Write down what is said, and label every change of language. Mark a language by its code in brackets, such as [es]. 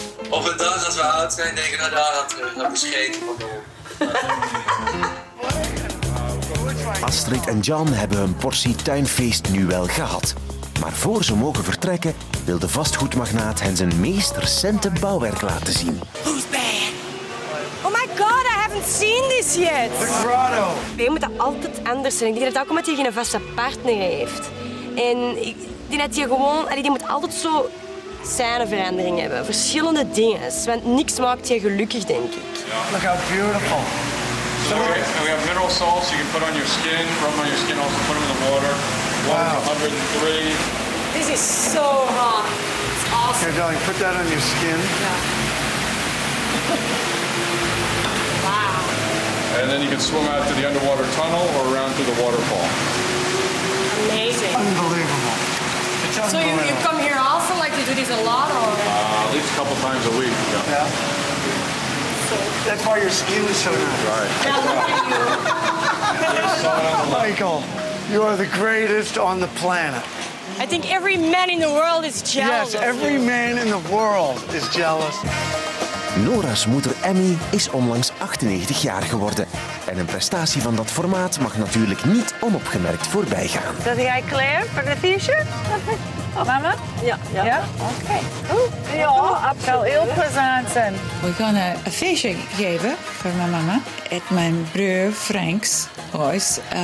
[nl] Op een dag als we oud zijn, denk ik naar daar aan terug. Dat is geen probleem. Astrid en John hebben hun portie tuinfeest nu wel gehad. Maar voor ze mogen vertrekken, wil de vastgoedmagnaat hen zijn meest recente bouwwerk laten zien. [en] Who's bad? Oh my god, I haven't seen this yet. The grotto. [nl] Wij moeten altijd anders zijn. Ik denk dat ook omdat hij geen vaste partner heeft. En die net hier gewoon, die moet altijd zo scèneverandering hebben. Verschillende dingen. Want niks maakt je gelukkig, denk ik. [en] Look how beautiful. So we have mineral salts you can put on your skin, rub on your skin, also put them in the water. 103. This is so hot. It's awesome. Here, darling, put that on your skin. Yeah. And then you can swim out to the underwater tunnel or around through the waterfall. Amazing. Unbelievable. It's unbelievable. So you come here also, like you do this a lot? Or? At least a couple times a week. Yeah. Yeah. So, that's why your skin is so good. Right. Michael, you are the greatest on the planet. I think every man in the world is jealous. Yes, every man in the world is jealous. [nl] Nora's moeder Emmy is onlangs 98 jaar geworden. En een prestatie van dat formaat mag natuurlijk niet onopgemerkt voorbij gaan. Dat jij klaar voor de t-shirt? Mama? Ja. Oké. Ja, het zal heel plezant zijn. We gaan een feestje geven voor mijn mama. [en] At [nl] mijn broer Frank's huis.